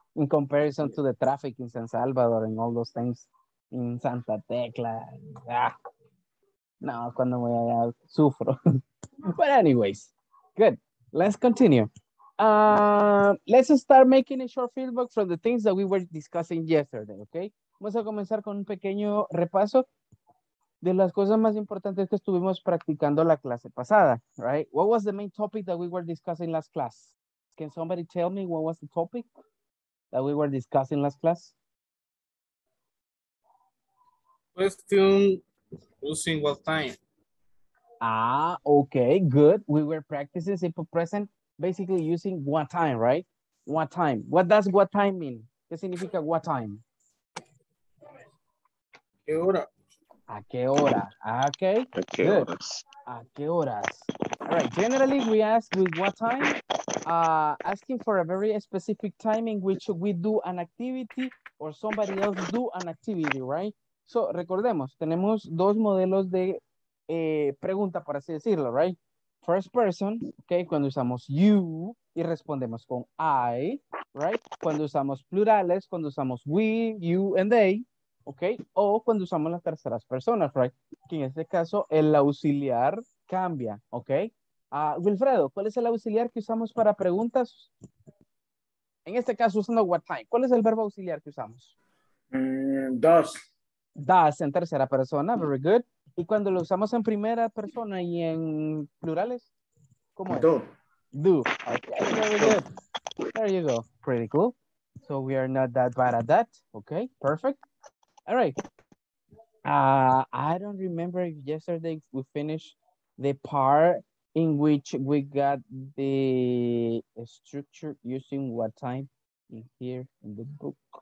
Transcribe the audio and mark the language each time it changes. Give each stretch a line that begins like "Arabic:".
English: In comparison to the traffic in San Salvador and all those things.
Spanish: En Santa Tecla. Ah. No, cuando voy allá, sufro.
English: But anyways, good. Let's continue. Let's start making a short feedback from the things that we were discussing yesterday, okay?
Spanish: Vamos a comenzar con un pequeño repaso de las cosas más importantes que estuvimos practicando la clase pasada, right?
English: What was the main topic that we were discussing last class? Can somebody tell me what was the topic that we were discussing last class? Question, using what time? Ah, okay, good. We were practicing simple present, basically using what time, right? What time. What does what time mean?
Spanish: ¿Qué significa
English: what time?
Spanish: ¿Qué hora? ¿A qué hora? Okay, ¿a qué
English: good.
Spanish: Horas? ¿A qué horas?
English: All right, generally we ask with what time, asking for a very specific time in which we do an activity or somebody else do an activity, right?
Spanish: So, recordemos, tenemos dos modelos de pregunta, por así decirlo, right?
English: First person,
Spanish: okay, cuando usamos you y respondemos con I, right? Cuando usamos plurales, cuando usamos we, you, and they, okay? O cuando usamos las terceras personas, right? Que en este caso, el auxiliar cambia, okay? Wilfredo, ¿cuál es el auxiliar que usamos para preguntas? En este caso, usando what time, ¿cuál es el verbo auxiliar que usamos?
English: Does.
Spanish: Does en tercera persona,
English: very good.
Spanish: Y cuando lo usamos en primera persona y en plurales, ¿cómo es?
English: Do. Do. Okay, very good. There you go. Pretty cool. So we are not that bad at that. Okay, perfect. All right. I don't remember if yesterday we finished the part in which we got the structure using what time in here in the book.